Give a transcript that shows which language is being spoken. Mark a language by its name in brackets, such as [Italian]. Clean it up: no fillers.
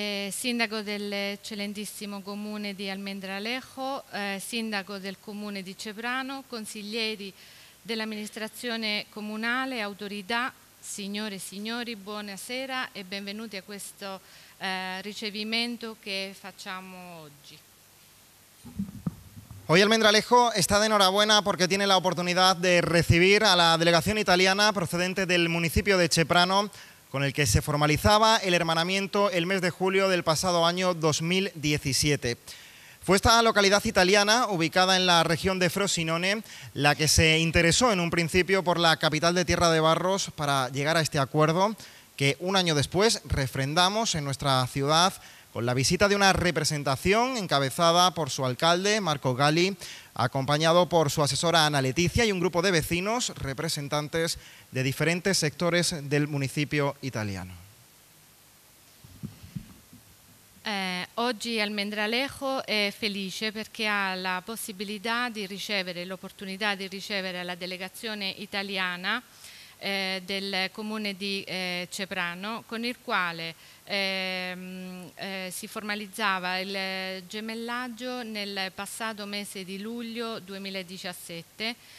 [Italian] Sindaco dell'eccellentissimo comune di Almendralejo, sindaco del comune di Ceprano, consiglieri dell'amministrazione comunale, autorità, signore e signori, buonasera e benvenuti a questo ricevimento che facciamo oggi. [Spanish] Hoy Almendralejo está de enhorabuena porque tiene la oportunidad de recibir a la delegación italiana procedente del municipio de Ceprano, con el que se formalizaba el hermanamiento el mes de julio del pasado año 2017. Fue esta localidad italiana, ubicada en la región de Frosinone, la que se interesó en un principio por la capital de Tierra de Barros para llegar a este acuerdo, que un año después refrendamos en nuestra ciudad con la visita de una representación encabezada por su alcalde, Marco Galli, acompañado por su asesora Ana Letizia y un grupo de vecinos representantes de diferentes sectores del municipio italiano. [Italian] Oggi Almendralejo è felice perché ha la possibilità di ricevere, l'opportunità di ricevere la delegazione italiana del comune di Ceprano, con il quale si formalizzava il gemellaggio nel passato mese di luglio 2017.